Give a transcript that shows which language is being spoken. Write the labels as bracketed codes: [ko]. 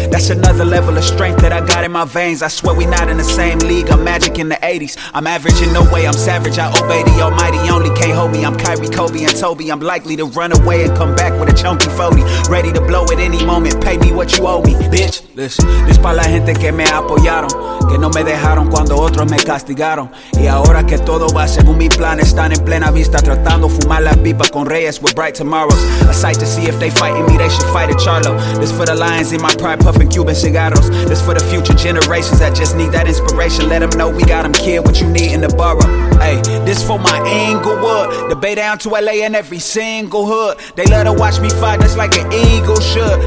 [en] That's another level of strength that I got in my veins. I swear we not in the same league, I'm magic in the 80s. I'm average in no way, I'm savage, I obey the almighty. Only can't hold me, I'm Kyrie, Kobe, and Toby. I'm likely to run away and come back with a chunky 40. Ready to blow at any moment, pay me what you owe me, bitch. Listen, this [es] pa' la gente que me apoyaron, que no me dejaron. Cuando otros me castigaron. Y ahora que todo va según mi plan, están en plena vista tratando fumar la pipa con Reyes [en] with bright tomorrows. A sight to see if they fighting me, they should fight a Charlo. This for the lions in my pride puffing Cuban cigarros. This for the future generations that just need that inspiration. Let them know we got them kid, what you need in the borough. Hey, this for my Inglewood, the Bay down to LA and every single hood. They love to watch me fight just like an eagle should.